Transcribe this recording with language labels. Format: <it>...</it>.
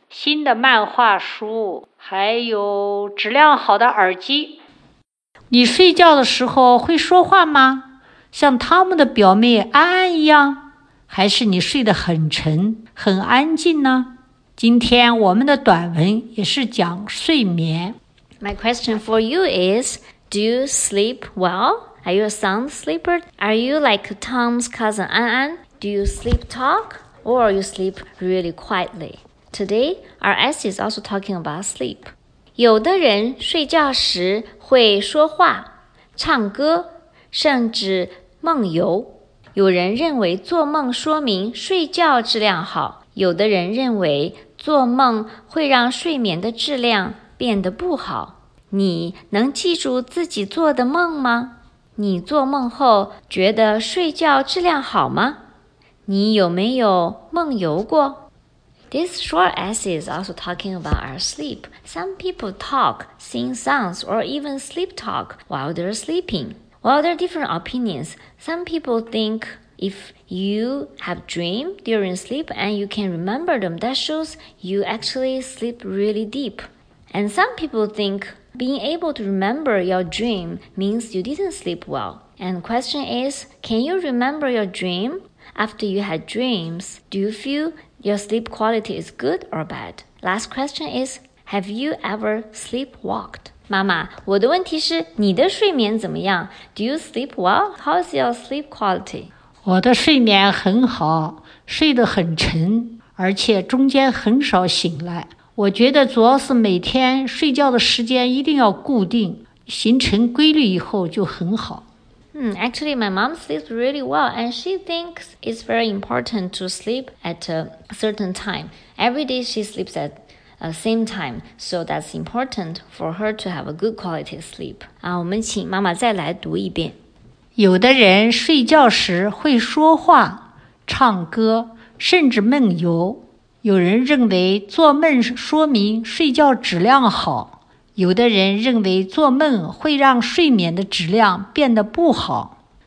<zh>新的漫画书，还有质量好的耳机。你睡觉的时候会说话吗？像汤姆的表妹安安一样，还是你睡得很沉很安静呢？今天我们的短文也是讲睡眠。</zh> <en>My question for you is, do you sleep well? Are you a sound sleeper? Are you like Tom's cousin An An? Do you sleep talk or you sleep really quietly? Today, our essay is also talking about sleep.</en> <zh>有的人睡觉时会说话、唱歌、甚至梦游。有人认为做梦说明睡觉质量好，有的人认为做梦会让睡眠的质量变得不好。你能记住自己做的梦吗？你做梦后觉得睡觉质量好吗？你有没有梦游过？</zh> <en>This short essay is also talking about our sleep. Some people talk, sing songs, or even sleep talk while they're sleeping. Well, there are different opinions. Some people think if you have dream during sleep and you can remember them, that shows you actually sleep really deep. And some people think being able to remember your dream means you didn't sleep well. And the question is, can you remember your dream? After you had dreams, do you feel your sleep quality is good or bad? Last question is, have you ever sleepwalked?</en> <zh>妈妈，我的问题是，你的睡眠怎么样？</zh> <en>Do you sleep well? How is your sleep quality?</en> <zh>我的睡眠很好，睡得很沉，而且中间很少醒来。我觉得主要是每天睡觉的时间一定要固定，形成规律以后就很好。</zh> <en>Actually, my mom sleeps really well, and she thinks it's very important to sleep at a certain time. Every day she sleeps at the same time, so that's important for her to have a good quality sleep.</en> <zh>我们请妈妈再来读一遍。有的人睡觉时会说话、唱歌，甚至梦游。有人认为做梦说明睡觉质量好，有的人认为做梦会让睡眠的质量变得不好。</zh>